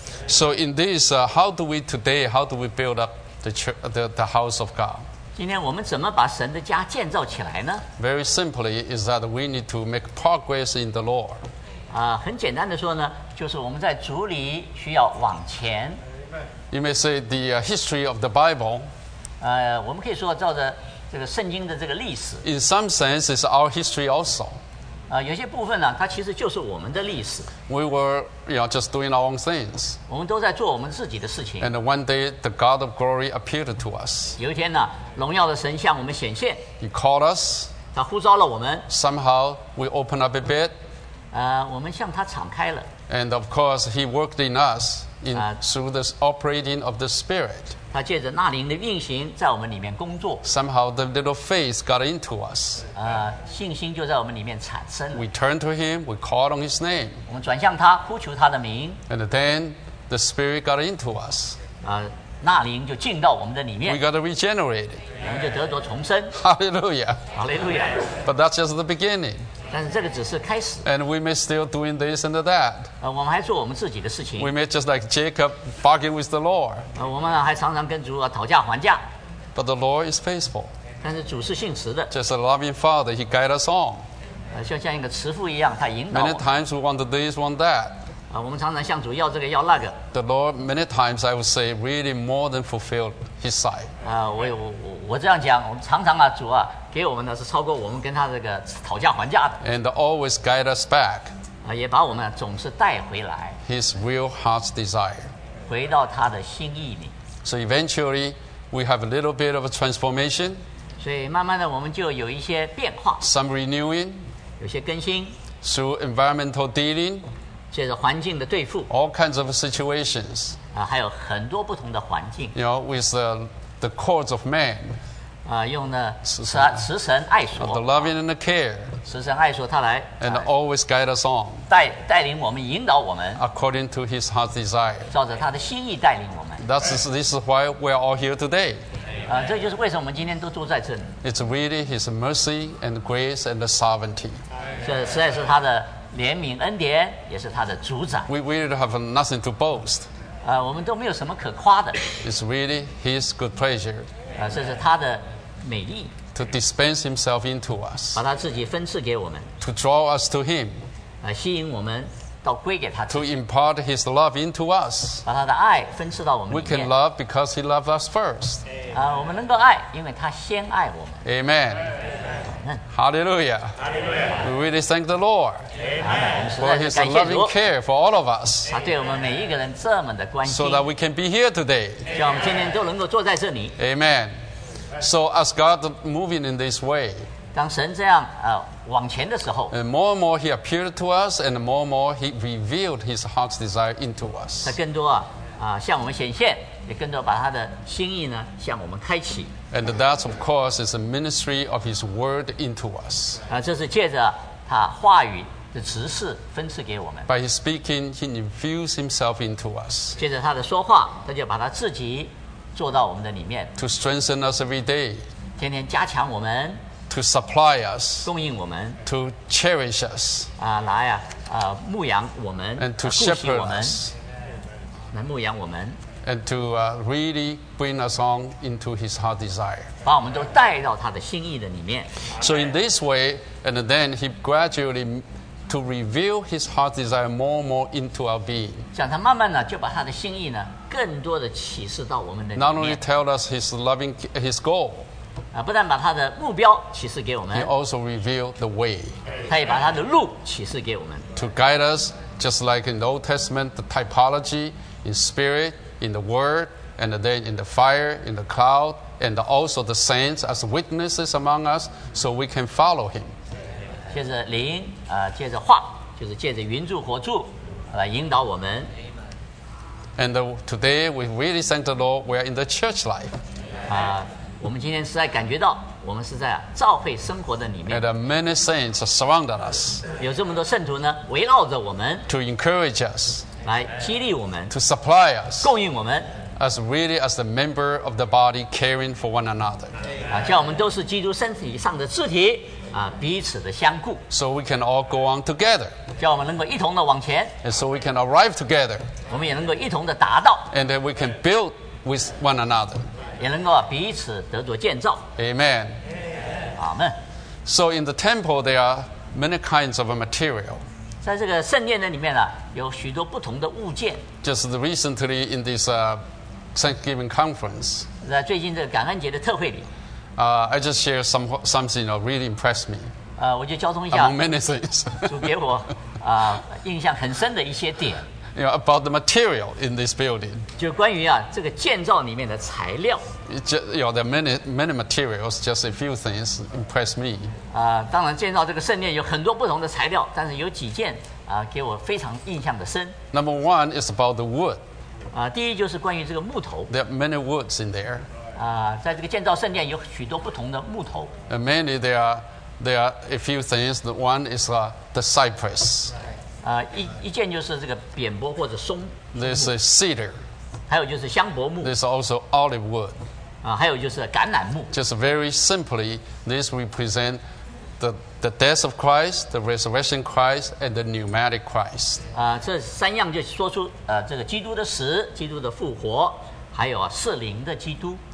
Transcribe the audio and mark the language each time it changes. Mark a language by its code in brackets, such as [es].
[en] So in this, how do we build up the house of God? [zh] 今天我们怎么把神的家建造起来呢 [en] ？Very simply is that we need to make progress in the Lord. [zh] 很简单的说呢，就是我们在主里需要往前。 [en] You may say the history of the Bible. [zh] 我们可以说照着这个圣经的这个历史。 [en] In some sense, it's our history also. [zh] 有些部分呢，它其实就是我们的历史。 [en] We were, you know, just doing our own things. [zh] 我们都在做我们自己的事情。 [en] And one day, the God of glory appeared to us. [zh] 有一天呢，荣耀的神向我们显现。 [en] He called us. [zh] 他呼召了我们。 [en] Somehow, we opened up a bit. [zh] 我们向他敞开了。 [en] And of course, He worked in us. Through the operating of the Spirit, [zh] 他借着那灵的运行，在我们里面工作。 [en] Somehow the little faith got into us. [zh] 信心就在我们里面产生了。 [en] We turned to Him, we called on His name. [zh] 我们转向他，呼求他的名。 [en] And then the Spirit got into us. [zh] 那灵就进到我们的里面。 [en] We got regenerated. [zh] 我们就得着重生。 [en] Hallelujah. Hallelujah. But that's just the beginning. [zh] 但是这个只是开始。 [en] And we may still doing this and that. [zh] 我们还做我们自己的事情。 [en] We may just like Jacob bargain with the Lord. [zh] 我们还常常跟主讨价还价。 [en] But the Lord is faithful. [zh] 但是主是信实的。 [en] Just a loving Father, He guides us on. [zh] 就像一个慈父一样，他引导。 [en] Many times we want this, want that. [zh] 我们常常向主要这个要那个。 [en] The Lord, many times I would say, really more than fulfilled His side. [zh] 我这样讲，我们常常主啊。给我们呢是超过我们跟他这个讨价还价的 [en] ，and always guide us back， [zh] 也把我们总是带回来 [en] ，his real heart's desire， [zh] 回到他的心意里。 [en] So eventually we have a little bit of a transformation， [zh] 所以慢慢的我们就有一些变化 [en] ，some renewing， [zh] 有些更新 [en] ，through environmental dealing， [zh] 借着环境的对付 [en] ，all kinds of situations， [zh] 还有很多不同的环境 [en] ，you know with the courts of man。 [zh] 用呢慈神爱说 [en] the loving and the care [zh] 慈神爱说他来 [en] and always guide us on [zh] 带领我们引导我们 [en] according to his heart's desire [zh] 照着他的心意带领我们 [en] this is why we are all here today [zh] 这就是为什么我们今天都住在这里 [en] it's really his mercy and grace and the sovereignty [zh] 这实在是他的怜悯恩典也是他的主宰 [en] we really have nothing to boast [zh] 我们都没有什么可夸的 [en] it's really his good pleasure [zh] 这是他的美丽 [en] to dispense himself into us [zh] 把他自己分赐给我们 [en] to draw us to him [zh] 吸引我们到归给他自己 [en] to impart his love into us [zh] 把他的爱分赐到我们里面 [en] we can love because he loved us first [zh] 我们能够爱因为他先爱我们 [en] Amen Hallelujah We really thank the Lord for his loving care for all of us [zh] 他对我们每一个人这么的关心 [en] so that we can be here today [zh] 叫我们今天都能够坐在这里 [en] AmenSo as God moving in this way, [zh] 当神这样往前的时候 [en] and more and more He appeared to us, and more He revealed His heart's desire into us. [zh] 他更多向我们显现，也更多把他的心意呢向我们开启。 [en] And that, of course, is a ministry of His Word into us. [zh] 这是借着他话语的指示分赐给我们。 [en] By His speaking, He infused Himself into us. [zh] 借着他的说话，他就把他自己。做到我们的里面 [en] to strengthen us every day [zh] 天天加强我们 [en] to supply us [zh] 供应我们 [en] to cherish us [zh] 来牧养我们 [en] and to shepherd us [zh] 来牧养我们 [en] and to really bring us on into his heart desire [zh] 把我们都带到他的心意的里面 [en] so in this way and then he gradually to reveal his heart desire more and more into our being [zh] 像他慢慢呢就把他的心意呢更多的启示到我们的里面 [en] Not only tell us his loving his goal [zh] 不但把他的目标启示给我们 [en] He also revealed the way [zh] 他也把他的路启示给我们 [en] To guide us just like in the Old Testament the typology in spirit in the word and then in the fire in the cloud and also the saints as witnesses among us so we can follow him [zh] 借着灵啊、借着话，就是借着云柱火柱来引导我们。 [en] And today we really thank the Lord. We are in the church life. [zh] 啊，我们今天实在感觉到，我们是在召会生活的里面。 [en] And many saints surround us. [zh] 有这么多圣徒呢，围绕着我们。 [en] To encourage us. [zh] 来激励我们。 [en] To supply us. [zh] 供应我们。 [en] As really as the member of the body caring for one another. [zh] 啊，叫我们都是基督身体上的肢体。彼此的相顾 [en] so we can all go on together [zh] 叫我们能够一同的往前 [en] and so we can arrive together [zh] 我们也能够一同的达到 [en] and then we can build with one another [zh] 也能够彼此得着建造 [en] Amen. Amen So in the temple there are many kinds of material [zh] 在这个圣殿的里面、啊、有许多不同的物件 [en] Just recently in this Thanksgiving conference [zh] 在最近这个感恩节的特会里 [en] I just share something that really impressed me. [zh] 我就交通一下。 [en] Among many things. [zh] 主给我印象很深的一些点。 [en] You know, about the material in this building. [zh] 就关于这个建造里面的材料。 [en] Just, you know, there are many materials, just a few things impressed me. [zh] 当然建造这个圣殿有很多不同的材料，但是有几件给我非常印象的深。 [en] Number one is about the wood. [zh] 第一就是关于这个木头。 [en] There are many woods in there. [zh] 在这个建造圣殿有许多不同的木头。 [en] Mainly there are a few things. The one is the cypress. [zh] 一件就是这个扁柏或者松。 [en] There's a cedar. [zh] 还有就是香柏木。 [en] There's also olive wood. [zh] 还有就是橄榄木。 [en] Just very simply, this represent the death of Christ, the resurrection Christ, and the pneumatic Christ. [zh] 这三样就说出这个基督的死、基督的复活，还有圣灵的基督。